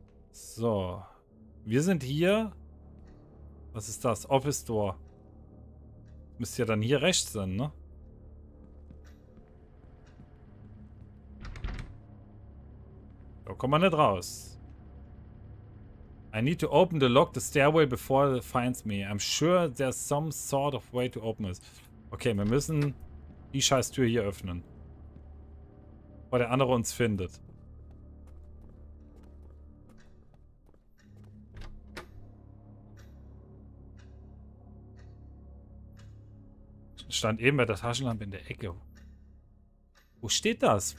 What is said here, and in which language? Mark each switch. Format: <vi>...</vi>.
<de>So. Wir sind hier. Was ist das? Office Door. Müsste ja dann hier rechts sein, ne? Da kommen wir nicht raus.</de> <en>I need to open the lock the stairway before it finds me. I'm sure there's some sort of way to open it.</en> <de>Okay, wir müssen die scheiß Tür hier öffnen. Bevor der andere uns findet. Stand eben bei der Taschenlampe in der Ecke. Wo steht das?</de>